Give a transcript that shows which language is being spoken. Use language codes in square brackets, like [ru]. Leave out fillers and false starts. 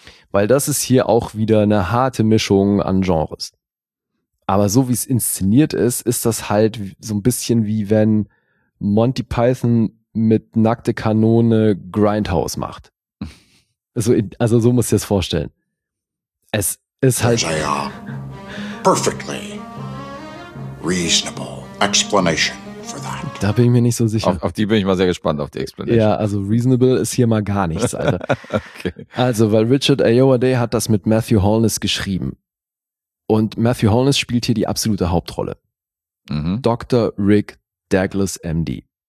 [de] Weil das ist hier auch wieder eine harte Mischung an Genres. Aber so wie es inszeniert ist, ist das halt so ein bisschen wie wenn Monty Python mit nackte Kanone Grindhouse macht. Also so musst du dir das vorstellen. Es ist halt... [en] There's a perfectly reasonable explanation for that. [de] Da bin ich mir nicht so sicher. Auf die bin ich mal sehr gespannt, auf die Explanation. Ja, also reasonable ist hier mal gar nichts, Alter. Okay. Also, weil Richard Ayoade hat das mit Matthew Holness geschrieben. Und Matthew Holness spielt hier die absolute Hauptrolle. Mhm. Dr. Rick Douglas, MD.